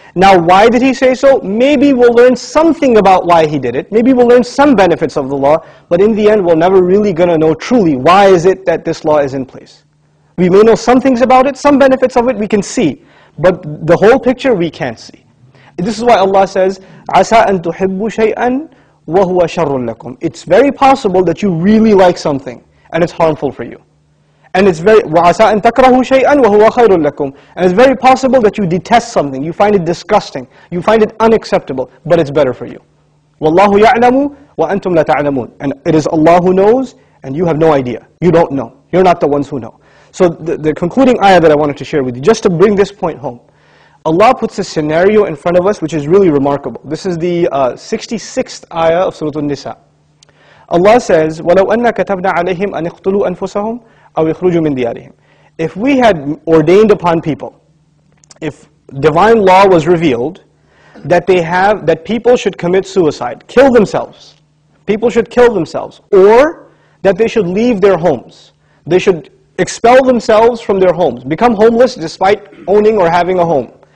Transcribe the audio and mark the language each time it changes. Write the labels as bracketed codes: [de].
[en] Now, why did he say so? Maybe we'll learn something about why he did it. Maybe we'll learn some benefits of the law. But in the end, we're never really going to know truly why is it that this law is in place. We may know some things about it, some benefits of it we can see. But the whole picture we can't see. This is why Allah says, [ar] عَسَىٰ أَن تُحِبُّ شَيْئًا وَهُوَ شَرٌ لَكُمْ. [en] It's very possible that you really like something and it's harmful for you. And it's very [ar] وَعَسَىٰ أَن تَكْرَهُ شَيْئًا وَهُوَ خَيْرٌ لَكُمْ. [en] And it's very possible that you detest something, you find it disgusting, you find it unacceptable, but it's better for you. [ar] وَاللَّهُ يَعْلَمُ وَأَنْتُمْ لَتَعْلَمُونَ. [en] And it is Allah who knows, and you have no idea. You don't know. You're not the ones who know. So the concluding ayah that I wanted to share with you, just to bring this point home. Allah puts a scenario in front of us which is really remarkable. This is the 66th ayah of Surah An-Nisa. Allah says, [ar] وَلَوْ أَنَّا كَتَبْنَا عَلَيْهِمْ أَنِ اقْتُلُوا أَنفُسَهُمْ. [en] If we had ordained upon people, if divine law was revealed, that people should commit suicide, kill themselves. People should kill themselves. Or that they should leave their homes. They should expel themselves from their homes. Become homeless despite owning or having a home.